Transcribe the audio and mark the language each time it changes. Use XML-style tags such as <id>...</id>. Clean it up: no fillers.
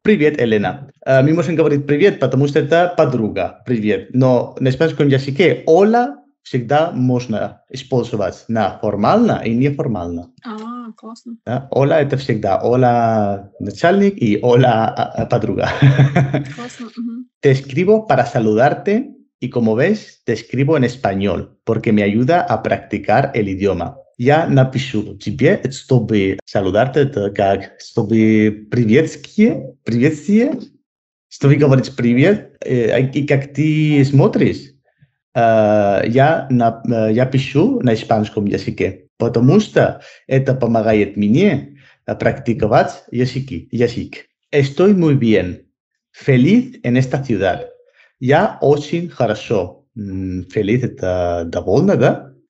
<ru>Привет, Elena. Мы можем говорить привет, потому что это подруга. Привет. Но на испанском языке hola всегда можно использовать на формально и неформально. Классно. Да? Hola это всегда hola начальник и hola подруга. Классно.</ru> <es>Te escribo para saludarte y como ves, te escribo en español porque me ayuda a practicar el idioma.</es> <ru>Я напишу тебе, чтобы saludarte, как, чтобы приветствие, чтобы говорить привет, и как ты смотришь, я пишу на испанском языке, потому что это помогает мне практиковать язык.</ru> <es>Estoy muy bien, feliz en esta ciudad.</es> <ru>Я очень хорошо. Feliz это довольно, да?</ru>